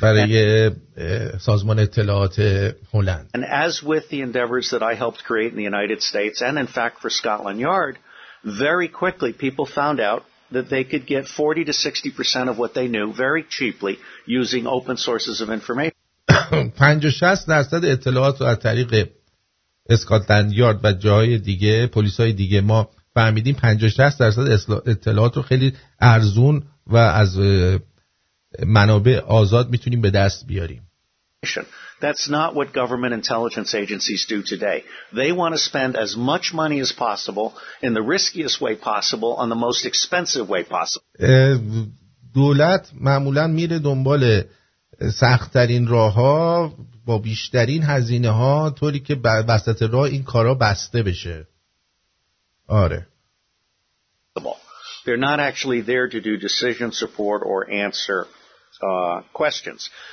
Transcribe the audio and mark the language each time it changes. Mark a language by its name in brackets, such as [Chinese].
[Persian] برای سازمان اطلاعات هلند. [English] And as with the endeavors that I helped create in the United States and in fact for Scotland Yard, very quickly people found out that they could get 40 to 60% of what they knew very cheaply using open sources of information. [Persian] 50-60% اطلاعات از طریق اسکاتلند یارد و جاهای دیگه، پلیس‌های دیگه ما فهمیدیم 50-60% اطلاعات رو خیلی ارزون و از منابع آزاد میتونیم به دست بیاریم. [English] That's not what government intelligence agencies do today. They want to spend as much money as possible in the riskiest way possible on the most expensive way possible. [Persian] دولت معمولا میره دنبال سخت ترین راه ها با بیشترین هزینه ها طوری که وسط راه این کارا بسته بشه. آره. [English] They're not actually there to do decision support or answer questions.